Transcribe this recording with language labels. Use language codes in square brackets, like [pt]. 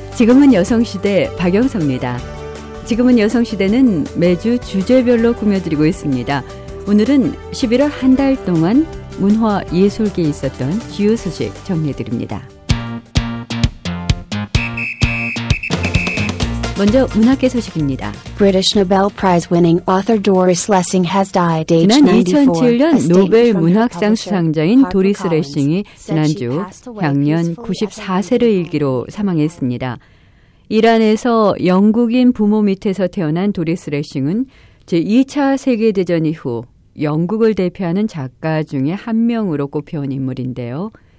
[ko] 지금은 여성시대 박영서입니다. 지금은 여성시대는 매주 주제별로 꾸며드리고 있습니다. 오늘은 11월 한 달 동안 문화예술계에 있었던 주요 소식 정리해드립니다. 먼저 문학계 소식입니다. [en] British Nobel Prize winning author Doris Lessing has died aged 97. [ko] 지난 2007년 노벨 문학상 수상자인 도리스 레싱이 지난주 향년 94세를 일기로 사망했습니다. 이란에서 영국인 부모 밑에서 태어난 도리스 레싱은 제2차 세계대전 이후 영국을 대표하는 작가 중에 한 명으로 꼽혀온 인물인데요.